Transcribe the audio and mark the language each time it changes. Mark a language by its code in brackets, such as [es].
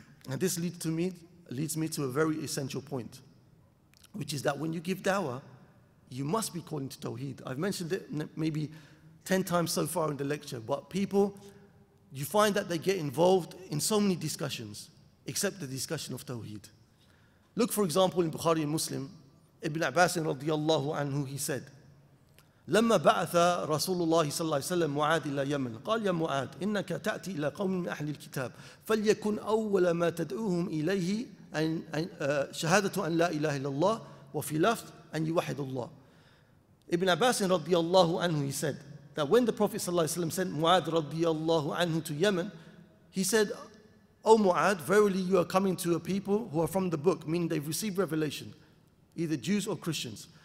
[en] And this leads me to a very essential point, which is that when you give dawah, you must be calling to Tawheed. I've mentioned it maybe 10 times so far in the lecture, but people, you find that they get involved in so many discussions, except the discussion of Tawheed. Look, for example, in Bukhari and Muslim, Ibn Abbas radiallahu anhu, he said, [ar] لما بعث رسول الله صلى الله عليه وسلم معاذ إلى يمن قال يا معاذ إنك تأتي إلى قوم من أهل الكتاب فليكن أول ما تدعوهم إليه شهادة أن لا إله إلا الله وفي لفظ أن يوحد الله. [en] Ibn Abbas رضي الله عنه, he said that when the Prophet صلى الله عليه وسلم sent معاذ رضي الله عنه to Yemen, he said, O معاذ, verily you are coming to a people who are from the book, meaning they've received revelation, either Jews or Christians.